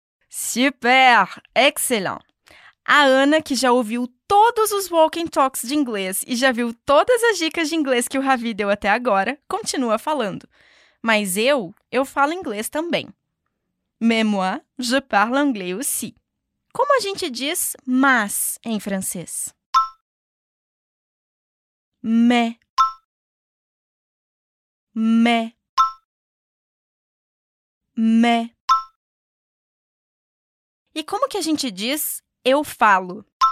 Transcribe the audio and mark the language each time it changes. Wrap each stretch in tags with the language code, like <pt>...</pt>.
<fr>Super! Excellent!</fr> <pt>A Ana, que já ouviu todos os Walking Talks de inglês e já viu todas as dicas de inglês que o Ravi deu até agora, continua falando. Mas eu falo inglês também.</pt> <fr>Mais moi, je parle anglais aussi.</fr> <pt>Como a gente diz mas em francês?</pt> <fr>Mais. Mais. Mais.</fr> <pt>E como que a gente diz eu falo?</pt>